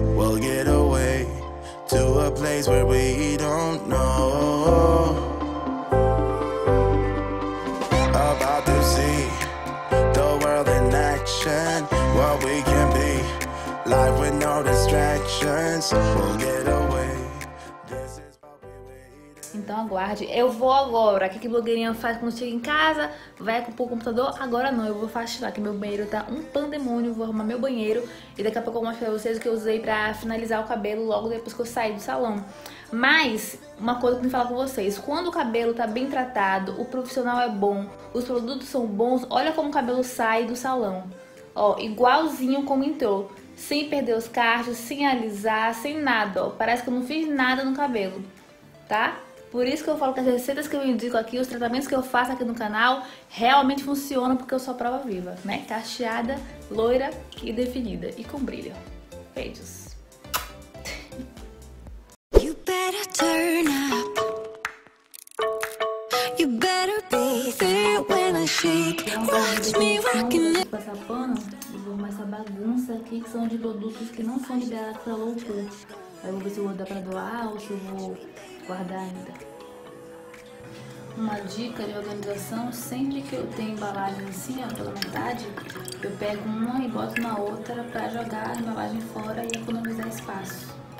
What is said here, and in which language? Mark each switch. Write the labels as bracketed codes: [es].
[en] We'll get away to a place where we don't know. About to see the world in action. What we can be, life with no distractions. We'll get away. This is what we need. [pt] Então aguarde, eu vou agora. O que que blogueirinha faz quando chega em casa? Vai pro computador? Agora não, eu vou faxinar, que meu banheiro tá um pandemônio. Vou arrumar meu banheiro e daqui a pouco eu mostro pra vocês o que eu usei pra finalizar o cabelo logo depois que eu saí do salão. Mas, uma coisa que eu vou falar com vocês: quando o cabelo tá bem tratado, o profissional é bom, os produtos são bons, olha como o cabelo sai do salão. Ó, igualzinho como entrou. Sem perder os cachos, sem alisar, sem nada, ó. Parece que eu não fiz nada no cabelo, tá? Por isso que eu falo que as receitas que eu indico aqui, os tratamentos que eu faço aqui no canal, realmente funcionam, porque eu sou a prova viva, né? Cacheada, loira e definida. E com brilho. Beijos. [en] You better turn up. You better be there when I shake. Watch me rocking. [pt] Vou passar pano e vou arrumar essa bagunça aqui, que são de produtos que não são liberados pra low cost. Aí eu vou ver se eu vou dar pra doar ou se eu vou guardar ainda. Uma dica de organização: sempre que eu tenho embalagem assim, ó, pela metade, eu pego uma e boto na outra pra jogar a embalagem fora e economizar espaço.